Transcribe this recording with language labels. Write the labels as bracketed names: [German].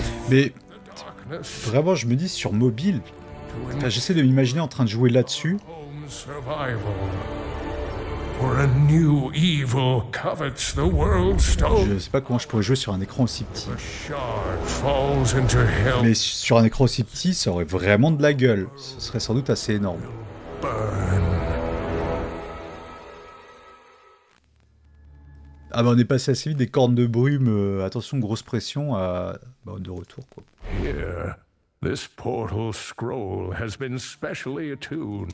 [French] Mais vraiment, je me dis sur mobile, j'essaie de m'imaginer en train de jouer là-dessus. [English] Survival. For a new evil covets the world stone. [French] Je sais pas comment je pourrais jouer sur un écran aussi petit. [English] The shard falls into hell. [French] Mais sur un écran aussi petit, ça aurait vraiment de la gueule. Ce serait sans doute assez énorme. [English] Burn. [French] Ah bah on est passé assez vite des cornes de brume. Attention, grosse pression à... Bah de retour quoi. [English] Here. This portal scroll has been specially attuned.